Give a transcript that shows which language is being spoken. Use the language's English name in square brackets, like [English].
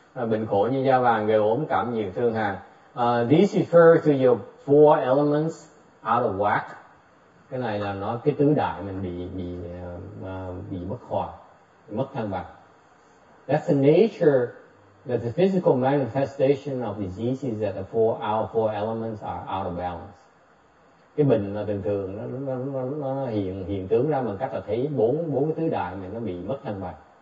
[Vietnamese] Bệnh khổ như da vàng gây ốm cảm nhiều thương hàn. [English] These refer to your four elements out of whack. [Vietnamese] Cái này là nó cái tứ đại mình bị mất hòa, mất thăng bằng. [English] That's the nature, that's the physical manifestation of diseases that the four our four elements are out of balance. [Vietnamese] Cái bệnh là thường thường nó hiện tướng ra bằng cách là thấy bốn cái tứ đại mình nó bị mất thăng bằng.